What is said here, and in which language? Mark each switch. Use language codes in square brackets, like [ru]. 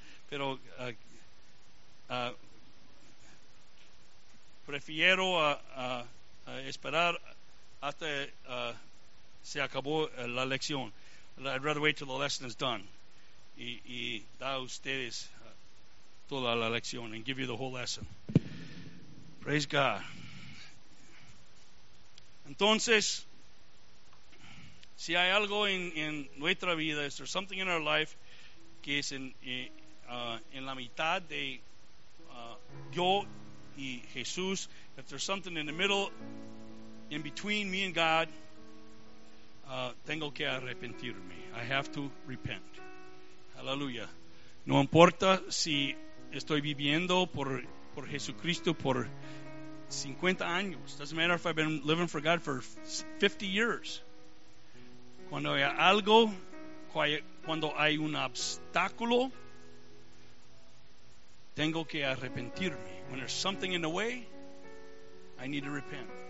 [es] Pero prefiero esperar hasta se acabó la lección. [en] I'd rather wait till the lesson is done [es] y da ustedes toda la lección [en] and give you the whole lesson. Praise God. [es] Entonces, si hay algo en nuestra vida, [en] is there something in our life [es] que es en la mitad de yo y Jesús, [en] if there's something in the middle, in between me and God, [es] tengo que arrepentirme. [en] I have to repent. Hallelujah. [es] No importa si estoy viviendo por Jesucristo por 50 años. [en] Doesn't matter if I've been living for God for 50 years. [es] Cuando hay algo, cuando hay un obstáculo, tengo que arrepentirme. [en] When there's something in the way, I need to repent.